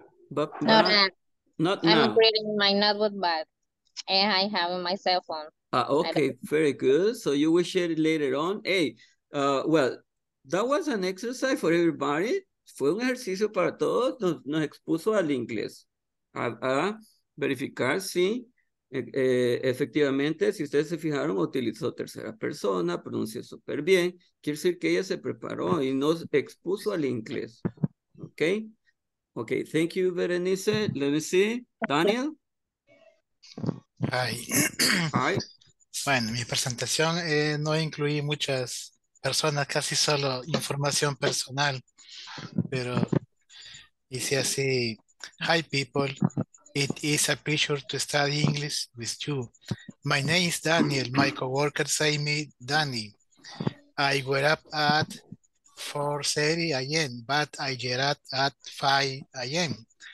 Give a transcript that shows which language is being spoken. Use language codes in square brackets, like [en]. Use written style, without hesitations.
[en] But not now. I'm reading my notebook, but I have it on my cell phone. Okay, very good. So you will share it later on. Hey, well, that was an exercise for everybody. [es] Fue un ejercicio para todos, nos expuso al inglés. A verificar si efectivamente, si ustedes se fijaron, utilizó tercera persona, pronunció súper bien. Quiere decir que ella se preparó y nos expuso al inglés. [en] Ok. Ok, thank you, Berenice. Let me see. Daniel. Hi. Hi. [es] Bueno, mi presentación no incluí muchas personas, casi solo información personal. Pero dice así, [en] hi people, it is a pleasure to study English with you. My name is Daniel, my co-workers say me Danny. I got up at 4:30 a.m., but I get up at 5 a.m.